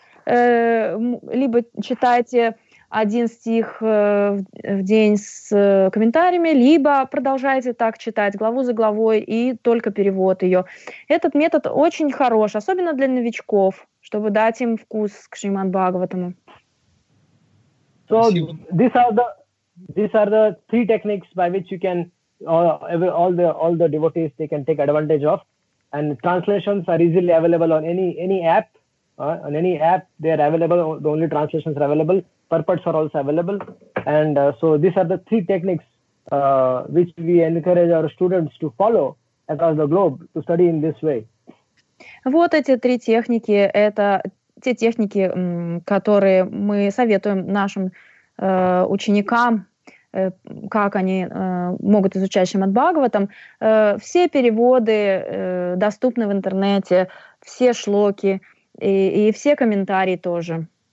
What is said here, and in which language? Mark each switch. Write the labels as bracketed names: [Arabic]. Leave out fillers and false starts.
[Russian] Либо читайте один стих в день с комментариями, либо продолжайте так читать главу за главой и только перевод ее. Этот метод очень хорош, особенно для новичков, чтобы дать им вкус к Шримад Бхагаватаму. [English] So these are the three techniques by which you can all the devotees, they can take advantage of, and translations are easily available on any app. They are available. The only translations are available. Purports are also available, and so these are the three techniques which we encourage our students to follow across the globe to study in this way. [Russian] Вот эти три техники, это те техники, которые мы советуем нашим ученикам, как они могут изучать Шримад Бхагаватам. Все переводы доступны в интернете, все шлоки и все комментарии тоже.